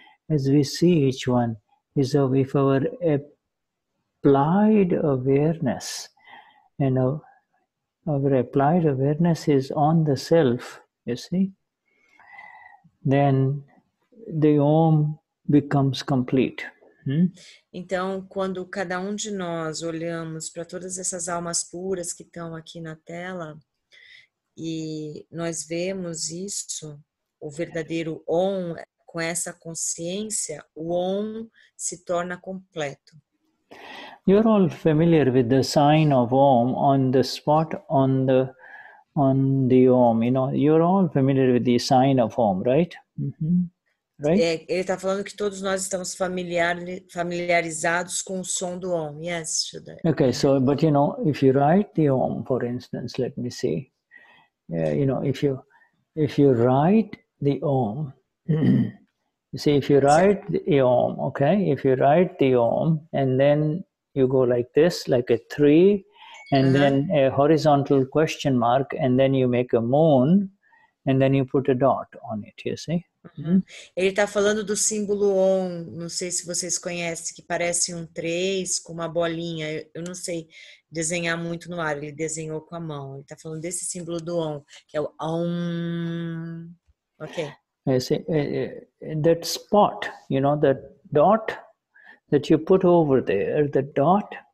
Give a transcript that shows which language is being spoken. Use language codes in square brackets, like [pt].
[en] as we see each one, is if our applied awareness, you know, our applied awareness is on the self, you see, then the Om becomes complete. [pt] Então, quando cada de nós olhamos para todas essas almas puras que estão aqui na tela e nós vemos isso, o verdadeiro Om, com essa consciência, o Om se torna completo. [en] You're all familiar with the sign of Om on the spot on the Om. You know, you're all familiar with the sign of Om, right? Mm-hmm. Right? [pt] É, ele está falando que todos nós estamos familiarizados com o som do Om. [en] Yes, Shuddha. Okay, so, but you know, if you write the Om, for instance, let me see. You know, if you write the Om, you see, if you write the Om, okay, if you write the Om and then you go like this, like a three, and then a horizontal question mark, and then you make a moon, and then you put a dot on it, you see? [pt] Ele está falando do símbolo Om, não sei se vocês conhecem, que parece um 3 com uma bolinha. Eu não sei desenhar muito no ar, ele desenhou com a mão. Ele está falando desse símbolo do Om, que é o Om. Ok. [en] That spot, you know, that dot that you put over there, the dot.